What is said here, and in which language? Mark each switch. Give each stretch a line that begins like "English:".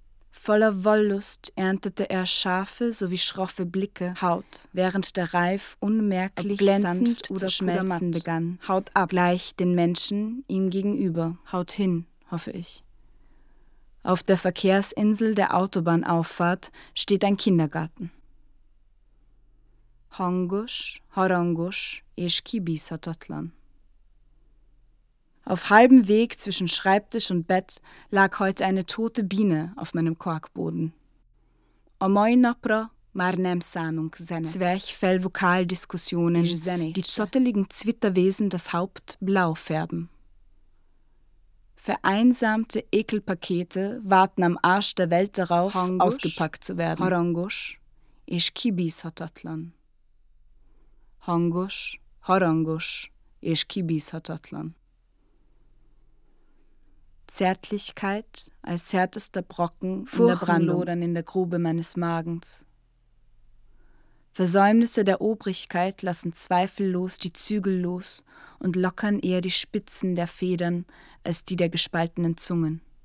German: Voller Wollust erntete er scharfe sowie schroffe Blicke, Haut, während der Reif unmerklich glänzend sanft oder zu schmelzen pudermatt. Begann, Haut ab, gleich den Menschen ihm gegenüber, Haut hin, hoffe ich. Auf der Verkehrsinsel der Autobahnauffahrt steht ein Kindergarten.
Hungarian: hangos, harangos, és kibízhatatlan.
German: Auf halbem Weg zwischen Schreibtisch und Bett lag heute eine tote Biene auf meinem Korkboden.
Hungarian: A mai napra már nem szánunk zenet.
German: Zwerchfell-Vokaldiskussionen, die zotteligen Zwitterwesen das Haupt blau färben. Vereinsamte Ekelpakete warten am Arsch der Welt darauf, Hangus, ausgepackt zu werden.
Hungarian: Harangos, és kibízhatatlan. Hangos, harangos, és kibízhatatlan.
German: Zärtlichkeit als härtester Brocken in der Brandung, in der Grube meines Magens. Versäumnisse der Obrigkeit lassen zweifellos die Zügel los und lockern eher die Spitzen der Federn als die der gespaltenen Zungen.